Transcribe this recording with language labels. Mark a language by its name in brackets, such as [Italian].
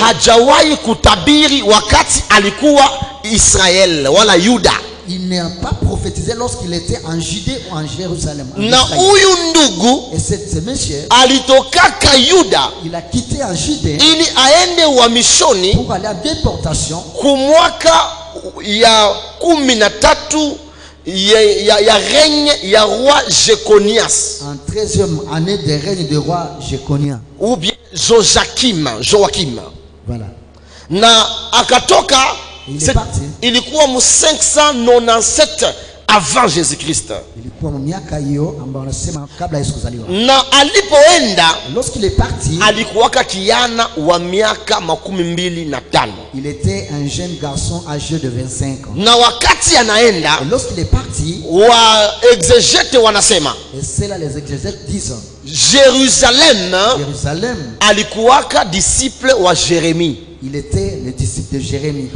[Swahili] hajawahi kutabiri wakati alikuwa Israël wala Yuda. [French] Il n'a pas prophétisé lorsqu'il était en Judée ou en Jérusalem. [Swahili] Na huyu ndugu, [French] et ce monsieur [Swahili] alitoka ka Yuda, [French] il a quitté en Judée [Swahili] ili aende wa mishoni [French] pour aller en déportation [Swahili] ku mwaka ya 13 ya règne ya roi Jeconias. [French] En 13e année de règne du roi Jeconias. Ou bien Joachim. Voilà. [Swahili] Na akatoka. [French] Il est parti. Il est comme 597 avant Jésus-Christ. Il est comme [Swahili] miaka hiyo ambayo anasema kabla Yesu kuzaliwa. Na alipoenda, [French] lorsqu'il est parti, [Swahili] alikuwa kijana wa miaka 25. [French] Il était un jeune garçon âgé de 25 ans. [Swahili] Na wakati anaenda, [French] lorsqu'il est parti, [Swahili] wa exégète wanasema. [French] Et c'est là les exégètes disent. [Swahili] Jérusalem alikuwa ka disciple wa Jérémie. [French] Il était le disciple de Jérémie.